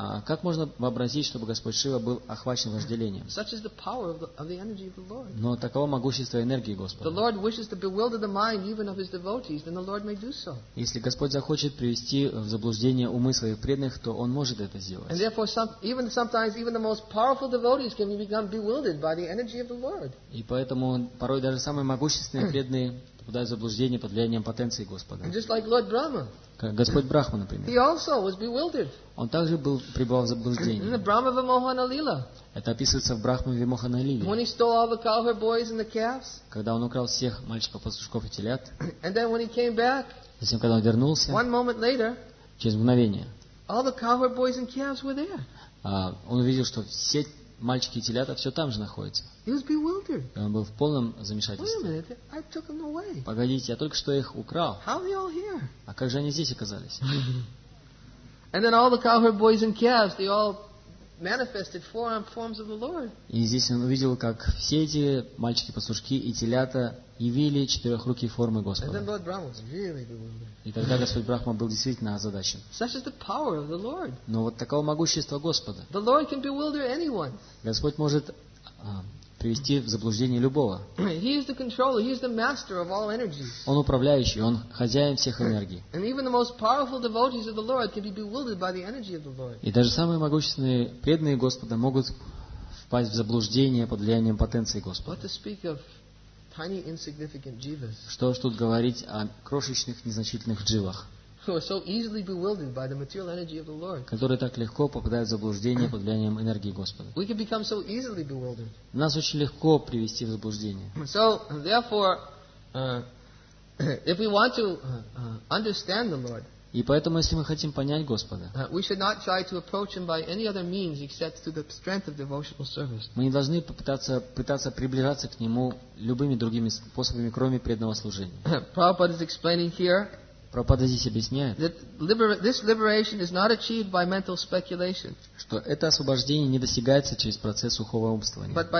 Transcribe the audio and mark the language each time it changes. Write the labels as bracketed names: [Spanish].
[Russian] Как можно вообразить, чтобы Господь Шива был охвачен вожделением? [English] Such is the power of the energy of the Lord. [Russian] Но таково могущество энергии Господа. [English] The Lord wishes to bewilder the mind even of his devotees, then the Lord may do so. [Russian] Если Господь захочет привести в заблуждение умы своих преданных, то Он может это сделать. [English] And therefore, even sometimes the most powerful devotees can become bewildered by the energy of the Lord. [Russian] И поэтому порой даже самые могущественные преданные попадают в заблуждение под влиянием потенции Господа. [English] And just like Lord Brahma. [Russian] Господь Брахма, например. [English] He also was bewildered. [Russian] Он также пребывал в заблуждении. [English] In the Brahma Vimohana Lila. [Russian] Это описывается в Брахма Вимохана Лиле. [English] When he stole all the cowherd boys and the calves. [Russian] Когда он украл всех мальчиков, пастушков и телят. [English] And then when he came back. [Russian] Затем, когда он вернулся. [English] One moment later. [Russian] Через мгновение. [English] All the cowherd boys and calves were there. [Russian] Он увидел, что все мальчики и телята все там же находятся. [English] He was bewildered. [Russian] И он был в полном замешательстве. [English] Wait a minute, I took them away. [Russian] Погодите, я только что их украл. [English] How are they all here? [Russian] А как же они здесь оказались? [English] And then all the cowherd boys and calves, they all manifested four forms of the Lord. [Russian] И здесь он увидел, как все эти мальчики, пастушки и телята явили четырехрукие формы Господа. [English] And then Lord Brahma was really bewildered. [Russian] И тогда Господь Брахма был действительно озадачен. [English] Such is the power of the Lord. [Russian] Но вот таково могущество Господа. [English] The Lord can bewilder anyone. [Russian] Господь может привести в заблуждение любого. [English] He is the controller. He is the master of all energies. [Russian] Он управляющий. Он хозяин всех энергий. [English] And even the most powerful devotees of the Lord can be bewildered by the energy of the Lord. [Russian] И даже самые могущественные преданные Господа могут впасть в заблуждение под влиянием потенции Господа. [English] What to speak of tiny, insignificant jivas? [Russian] Что ж тут говорить о крошечных, незначительных дживах? [English] Who are so easily bewildered by the material energy of the Lord? [Russian] Которые так легко попадают в заблуждение под влиянием энергии Господа. [English] We can become so easily bewildered. [Russian] Нас очень легко привести в заблуждение. [English] So therefore, if we want to understand the Lord, [Russian] и поэтому, если мы хотим понять Господа, [English] we should not try to approach Him by any other means except through the strength of devotional service. [Russian] Мы не должны пытаться приближаться к Нему любыми другими способами, кроме преданного служения. [English] Prabhupada is explaining here. [Russian] Прабхупада здесь объясняет, что это освобождение не достигается через процесс сухого умствования.